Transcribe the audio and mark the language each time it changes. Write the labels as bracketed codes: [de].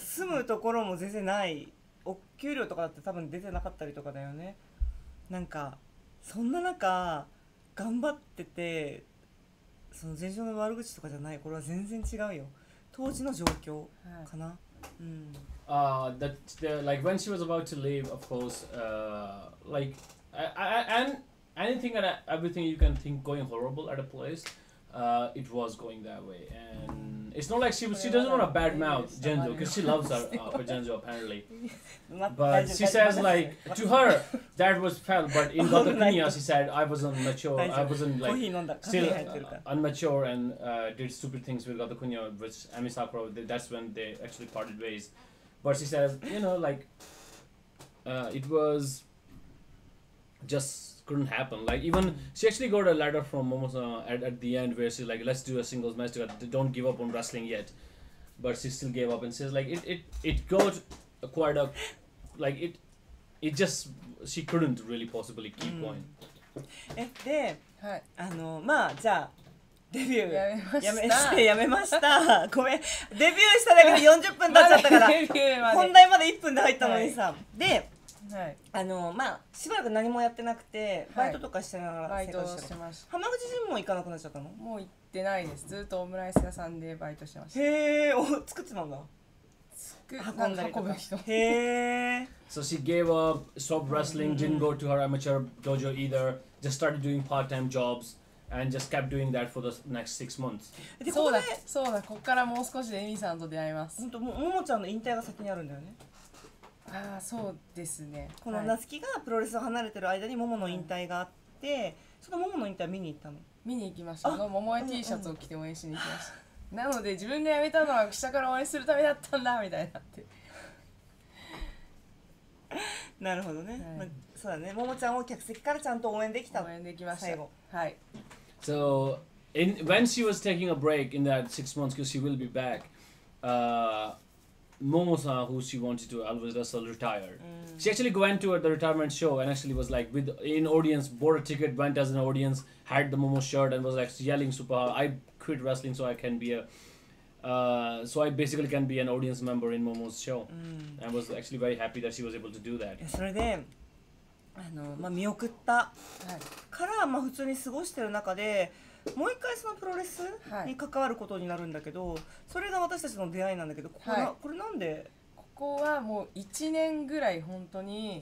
[ja] 住むところも全然ない、お給料とかだって多分出てなかったりとかだよね。なんかそんな中頑張ってて、その前場の悪口とかじゃない、これは全然違うよ、当時の状況かな、はい、うん、 [en] that like when she was about to leave, of course, like and anything and everything you can think going horrible at a place, it was going that way, and it's not like she doesn't want a bad mouth Genjo, because she loves her Genjo apparently, but she says like to her that was fun, but in the opinion she said I wasn't mature, I wasn't like still unmature and did stupid things with the Kunio, which Ami Sakura, that's when they actually parted ways, but she says, you know, like it was just couldn't happen. Like even she actually got a letter from Momo at the end where she's like, let's do a singles match together, don't give up on wrestling yet, but she still gave up and says like it got acquired up, like it just she couldn't really possibly keep going. [ja] え、で、はい、あの、まあ、じゃあデビューやめました、やめました、ごめん、デビューしただけで40分経っちゃったから、本題まで1分で入ったのにさ、はい、ではい、あのまあしばらく何もやってなくて、バイトとかしてながら生活してました。浜口ジムも行かなくなっちゃったの？もう行ってないです、ずっとオムライス屋さんでバイトしてました。へえ、作ってたんだ、作運んだりとか、へえ。 [en] So she gave up, stopped wrestling, didn't go to her amateur dojo either, just started doing part-time jobs and just kept doing that for the next 6 months. [ja] でここで、そうだ、こっからもう少しでエミさんと出会います。本当、ももちゃんの引退が先にあるんだよね。あ、そうですね、この夏希がプロレスを離れてる間に桃の引退があって、はい、その桃の引退見に行ったの？見に行きました、あの桃江 T シャツを着て応援しに行きました、うんうん、なので自分が辞めたのは下から応援するためだったんだみたいなってなるほどね、はい、ま、そうだね、桃ちゃんを客席からちゃんと応援できた、応援できました、最後、はい、 [en] So when she was taking a break in that 6 months, because she will be back, Momo-san, who she wanted to always wrestle, retired. She actually went to the retirement show and actually was like with in audience, bought a ticket, went as an audience, had the Momo shirt and was like yelling super hard, I quit wrestling so I can be a so I basically can be an audience member in Momo's show. And was actually very happy that she was able to do that. [ja] それで、あの、まあ、見送ったから、まあ、普通に過ごしてる中で、もう一回そのプロレスに関わることになるんだけど、はい、それが私たちの出会いなんだけど、ここ、はい、これなんで、ここはもう1年ぐらい本当に、